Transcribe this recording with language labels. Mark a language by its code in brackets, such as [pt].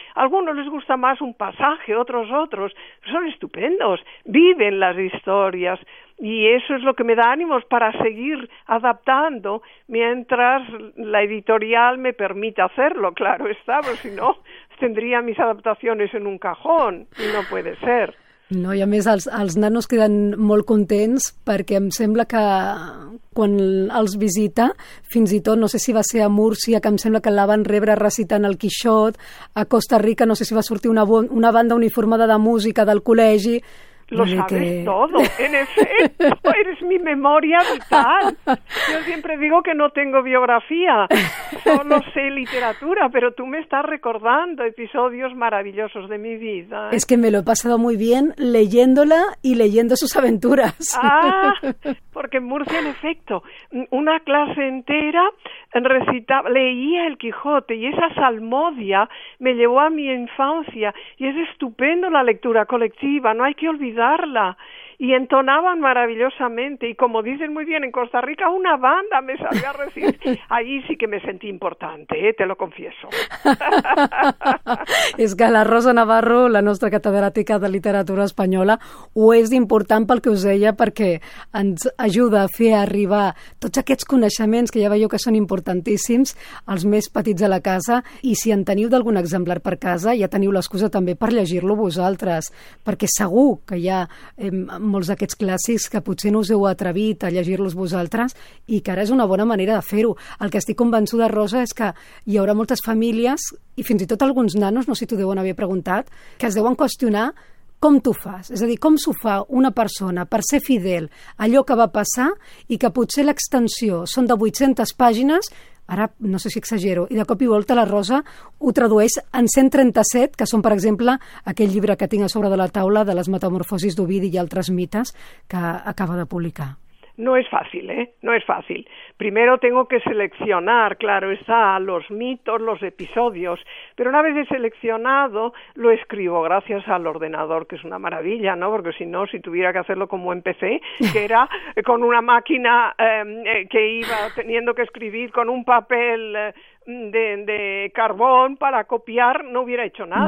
[es] A algunos les gusta más un pasaje, otros, son estupendos, viven las historias. Y eso es lo que me da ánimos para seguir adaptando mientras la editorial me permita hacerlo, claro está, pero si no, tendría mis adaptaciones en un cajón y no puede ser. [ca] No, i a més els nanos queden molt contents perquè em sembla que quan els visita, fins i tot, no sé si va ser a Múrcia, que em sembla que la van rebre recitant el Quixot, a Costa Rica, no sé si va sortir una banda uniformada de música del col·legi. [es] Lo sabes todo, en efecto, eres mi memoria vital. Yo siempre digo que no tengo biografía, solo sé literatura, pero tú me estás recordando episodios maravillosos de mi vida. Es que me lo he pasado muy bien leyéndola y leyendo sus aventuras. Ah, porque en Murcia, en efecto, una clase entera recitaba, leía El Quijote y esa salmodia me llevó a mi infancia y es estupendo la lectura colectiva, no hay que olvidarla. Y entonaban maravillosamente y como dicen muy bien en Costa Rica, una banda me salió a recibir. Ahí sí que me sentí importante, te lo confieso. [ca] És que la Rosa Navarro, la nostra catedràtica de literatura espanyola, ho és d'important pel que us deia, perquè ens ajuda a fer arribar tots aquests coneixements que ja veieu que són importantíssims als més petits de la casa, i si en teniu d'algun exemplar per casa, ja teniu l'excusa també per llegir-lo vosaltres, perquè segur que hi ha molts d'aquests clàssics que potser no us heu atrevit a llegir-los vosaltres i que ara és una bona manera de fer-ho. El que estic convençuda, Rosa, és que hi haurà moltes famílies i fins i tot alguns nanos, no sé si t'ho deuen haver preguntat, que es deuen qüestionar com t'ho fas. És a dir, com s'ho fa una persona per ser fidel a allò que va passar i que potser l'extensió són de 800 pàgines, ara no sé si exagero, i de cop i volta la Rosa ho tradueix en 137, que són, per exemple, aquell llibre que tinc a sobre de la taula de les metamorfosis d'Ovidi i altres mites que acaba de publicar. [es] No es fácil, ¿eh? No es fácil. Primero tengo que seleccionar, claro está, los mitos, los episodios, pero una vez seleccionado lo escribo gracias al ordenador, que es una maravilla, ¿no? Porque si no, si tuviera que hacerlo como empecé, que era con una máquina que iba teniendo que escribir con un papel de carbón para copiar, no hubiera hecho nada.